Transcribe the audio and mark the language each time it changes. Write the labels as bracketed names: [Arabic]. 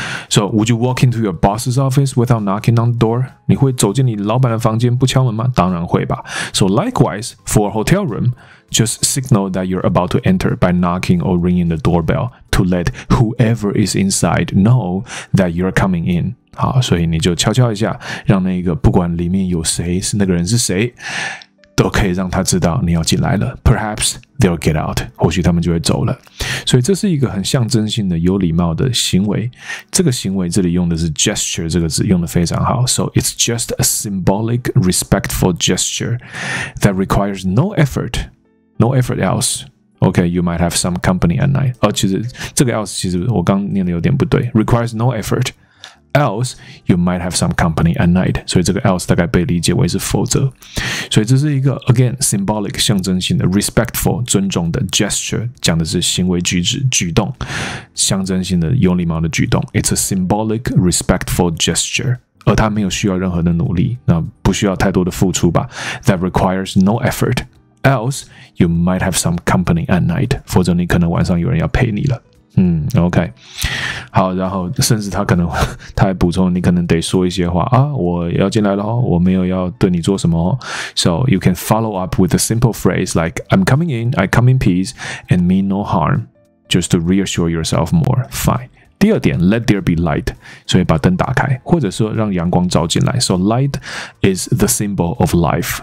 [English] So, would you walk into your boss's office without knocking on the door? [Chinese] 你会走进你老板的房间不敲门吗？当然会吧。 [English] So, likewise, for a hotel room, just signal that you're about to enter by knocking or ringing the doorbell to let whoever is inside know that you're coming in. [Chinese] 好，所以你就敲敲一下，让那个不管里面有谁，是那个人是谁，都可以让他知道你要进来了。 [English] Perhaps they'll get out， [Chinese] 或许他们就会走了。所以这是一个很象征性的有礼貌的行为。这个行为这里用的是 gesture 这个字，用的非常好。 [English] So it's just a symbolic, respectful gesture that requires no effort, no effort else. Okay, you might have some company at night. [Chinese] 其实这个 else 其实我刚念的有点不对。 [English] Requires no effort. Else, you might have some company at night. [Chinese] 所以这个 else 大概被理解为是否则。所以这是一个 again symbolic 象征性的 respectful 尊重的 gesture， 讲的是行为举止举动，象征性的有礼貌的举动。 [English] It's a symbolic respectful gesture， [Chinese] 而它没有需要任何的努力，那不需要太多的付出吧。 [English] That requires no effort. Else, you might have some company at night. [Chinese] 否则你可能晚上有人要陪你了。OK， 好，然后甚至他还补充，你可能得说一些话啊，我要进来了，我没有要对你做什么。 [English] So you can follow up with a simple phrase like "I'm coming in, I come in peace, and mean no harm," just to reassure yourself more. Fine. [Chinese] 第二点 ， [English] let there be light， [Chinese] 所以把灯打开，或者说让阳光照进来。 [English] So light is the symbol of life.